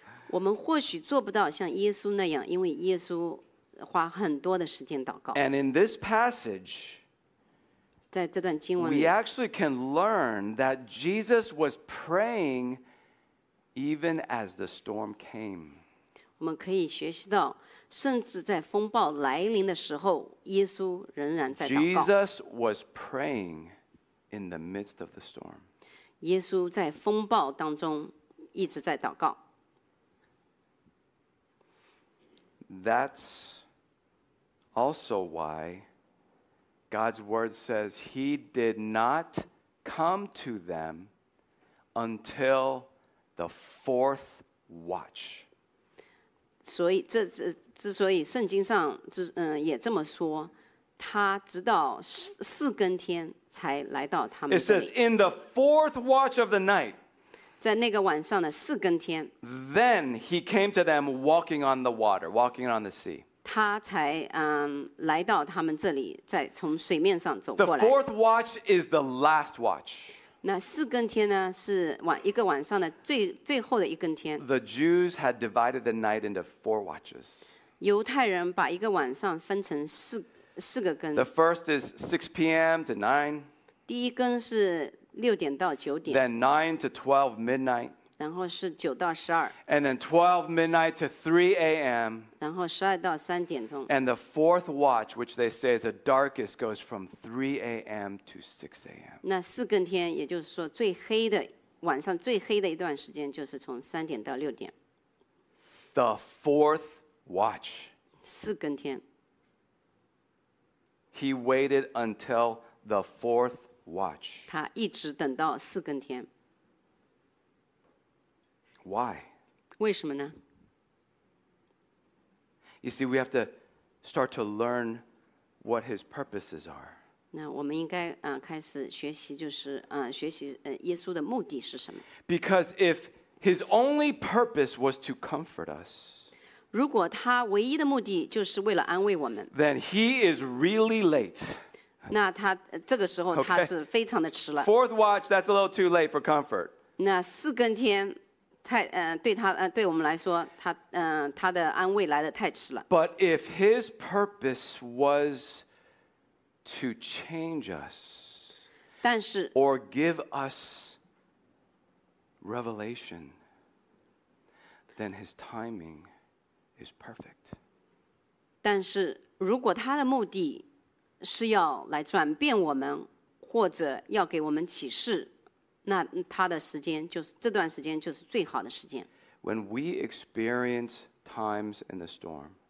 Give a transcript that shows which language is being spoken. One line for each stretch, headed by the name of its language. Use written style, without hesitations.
Chinese: 我们或许做不到像耶稣那样，因为耶稣花很多的时间祷告。
English: And in this passage. We actually can learn that Jesus was praying even as the storm came.
Chinese: 我们可以学习到，甚至在风暴来临的时候，耶稣仍然在祷告。
English: Jesus was praying in the midst of the storm.
Chinese: 耶稣在风暴当中一直在祷告。
English: That's also why. God's word says he did not come to them until the fourth watch.
Chinese: 所以这之所以圣经上也这么说，他直到四更天才来到他们。
English: It says in the fourth watch of the night.
Chinese: 在那个晚上的四更天。
English: Then he came to them walking on the water, walking on the sea.
Chinese: 他才来到他们这里，再从水面上走过
English: 来。The fourth watch is the last watch.
Chinese: 那四更天呢，是一个晚上的最后的一更天。
English: The Jews had divided the night into four watches.
Chinese: 犹太人把一个晚上分成四个更。
English: The first is 6 p.m. to 9.
Chinese: 第一更是六点到九点。
English: Then 9 to 12 midnight.
Chinese: 然后是九到十二。
English: And then 12 midnight to 3 a.m.
Chinese: 然后十二到三点钟。
English: And the fourth watch, which they say is the darkest, goes from 3 a.m. to 6 a.m.
Chinese: 那四更天，也就是说最黑的晚上最黑的一段时间，就是从三点到六点。
English: The fourth watch.
Chinese: 四更天。
English: He waited until the fourth watch.
Chinese: 他一直等到四更天。
English: Why?
Chinese: 为什么呢?
English: You see, we have to start to learn what his purposes are.
Chinese: 那我们应该开始学习就是学习耶稣的目的是什么?
English: Because if his only purpose was to comfort us,
Chinese: 如果他唯一的目的就是为了安慰我们,
English: then he is really late.
Chinese: 那他这个时候他是非常的迟了。
English: Okay. Fourth watch, that's a little too late for comfort.
Chinese: 那四更天对他对我们来说他的安慰来得太迟了。
English: But if his purpose was to change us,
Chinese: 但是
English: or give us revelation, then his timing is perfect.
Chinese: 但是如果他的目的是要来转变我们或者要给我们启示那他的时间就是这段时间就是最好的时间。
English: When we experience times in the storm,